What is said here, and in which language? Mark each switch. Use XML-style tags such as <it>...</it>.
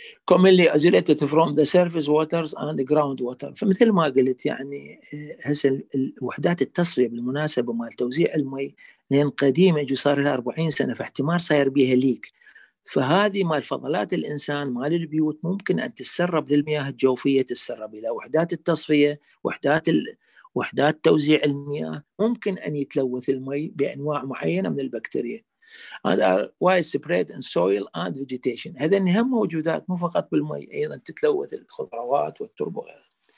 <en>commonly isolated from the surface waters and the ground water.</en> <ar>فمثل ما قلت يعني هسه الوحدات التصفية بالمناسبة مع توزيع المي لأن قديمة جو صار لها 40 سنة، فاحتمال صار بيها ليك، فهذه ما الفضلات الإنسان ما للبيوت ممكن أن تتسرب للمياه الجوفية، تتسرب إلى وحدات التصفية، وحدات توزيع المياه، ممكن أن يتلوث المي بأنواع معينة من البكتيريا.</ar> <en>And are wide spread in soil and vegetation.</en> <ar>هذا إن هم موجودات مو فقط بالماء، أيضا تتلوث الخضروات والتربة وغيرها.</ar>